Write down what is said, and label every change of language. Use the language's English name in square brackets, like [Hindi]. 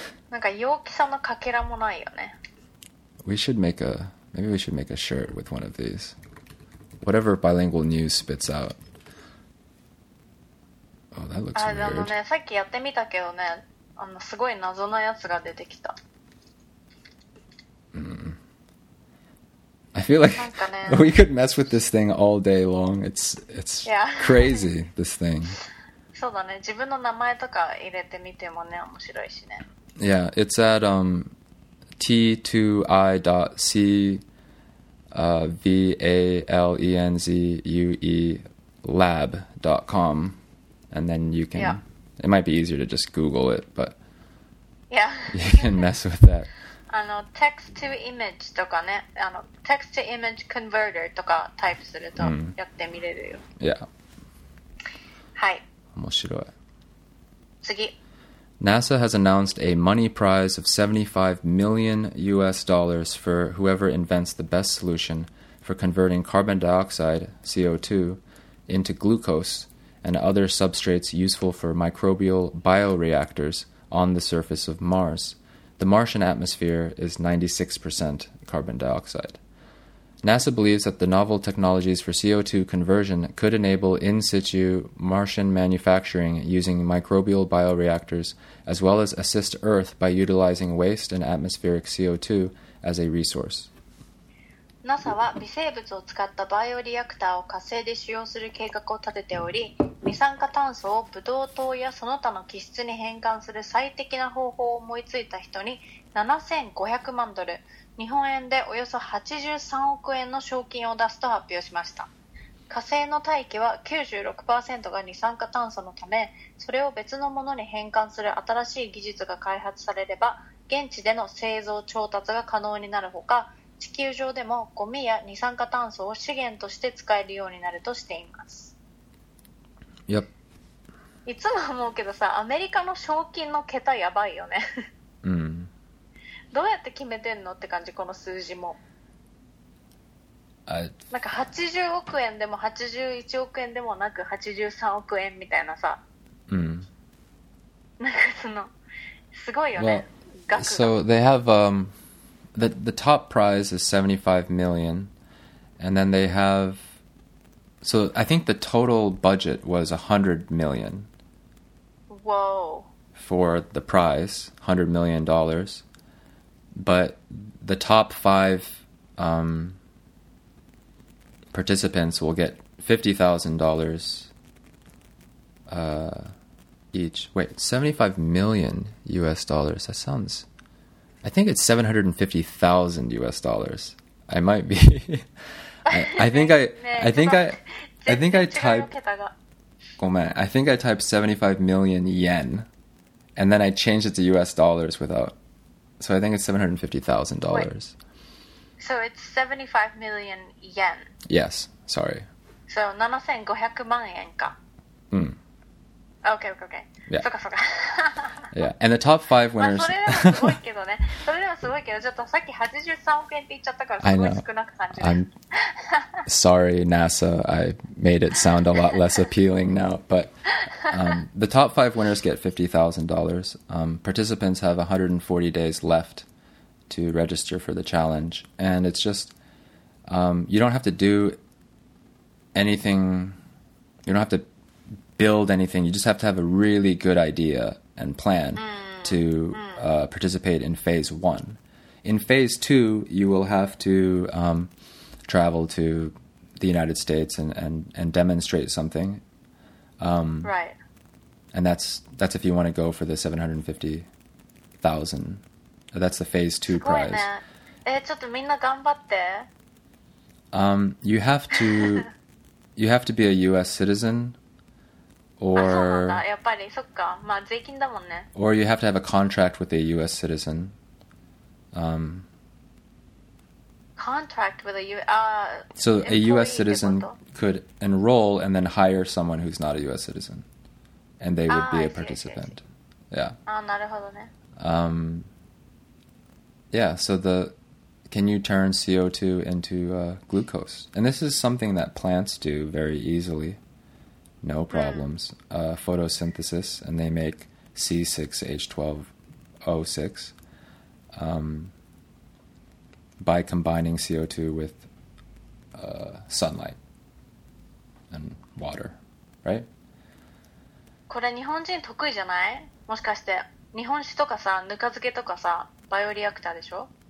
[Japanese] なんか陽気さのかけらもないよね。 [English] Maybe we should make a shirt with one of these. Whatever bilingual news spits out. Oh, that looks weird. [Japanese] あのね、さっきやってみたけどね、あのすごい謎なやつが出てきた。 [English] I feel like we could mess with this thing all day long. It's crazy, this thing. [Japanese] そうだね、自分の名前とか入れてみてもね、面白いしね。 [English] Yeah, it's at t2i.c valenzue lab.com, and then you can, yeah, it might be easier to just Google it, but yeah, you can mess with that. [Japanese] あの text to image とかね、あの text to image converter とかタイプするとやってみれるよ。 [English] Yeah. [Japanese] はい。面白い。次。 [English] NASA has announced a money prize of $75 million for whoever invents the best solution for converting carbon dioxide, CO2, into glucose and other substrates useful for microbial bioreactors on the surface of Mars. The Martian atmosphere is 96% carbon dioxide. NASA believes that the novel technologies for CO2 conversion could enable in-situ Martian manufacturing using microbial bioreactors, as well as assist Earth by utilizing waste and atmospheric CO2 as a resource. [Japanese] NASA は微生物を使ったバイオリアクターを火星で使用する計画を立てており、二酸化炭素をブドウ糖やその他の気質に変換する最適な方法を思いついた人に$7,500万、日本円でおよそ83億円の賞金を出すと発表しました。火星の大気は 96% が二酸化炭素のため、それを別のものに変換する新しい技術が開発されれば現地での製造調達が可能になるほか、地球上でもゴミや二酸化炭素を資源として使えるようになるとしています。 [English] Yep. [Japanese] いつも思うけどさ、アメリカの賞金の桁やばいよね。どうやって決めてんのって感じ、この数字も。なんか80億円でも81億円でもなく83億円みたいなさ。なんかそのすごいよね。 [English] Well, [Japanese] 額が。 [English] So they have the top prize is $75 million, and then they have, so I think the total budget was $100 million. Whoa. For the prize, $100 million. But the top five participants will get $50,000 each. Wait, $75 million. That sounds, I think it's $750,000. I might be. I think I typed 75 million yen, and then I changed it to US dollars without. So I think it's $750,000. So it's 75 million yen. Yes, sorry. [Japanese] So 7500万円か。 Mm. [English] Okay. Yeah. [Japanese] そうかそうか。 [English] Yeah. And the top five winners. [Japanese] それでもすごいけどね。それでもすごいけど、ちょっとさっき83億円って言っちゃったから、すごい少なく感じる。 [English] I know. I'm sorry, NASA. I made it sound a lot less appealing now. But the top five winners get $50,000. Participants have 140 days left to register for the challenge. And it's just, you don't have to do anything. You don't have to build anything. You just have to have a really good idea and plan to participate in phase one. In phase two, you will have to travel to the United States and demonstrate something. Right. And that's if you want to go for the 750,000. That's the phase two prize. [Japanese] すごいね。え、ちょっとみんな頑張って。 [English] You have to be a U.S. citizen. Or, [Japanese] あ、そうなんだ。やっぱり、そっか。まあ、税金だもんね。 [English] Or you have to have a contract with a U.S. citizen. Contract with a U.S. So a U.S. citizen could enroll and then hire someone who's not a U.S. citizen. And they would be a participant. Yeah. [Japanese] あ、なるほどね。 [English] Yeah, so the... Can you turn CO2 into glucose? And this is something that plants do very easily. No problems. Photosynthesis, and they make C6H12O6 by combining CO2 with sunlight and water, right? [Japanese] これ日本人得意じゃない？もしかして日本酒とかさ、ぬか漬けとかさ、バイオリアクターでしょ？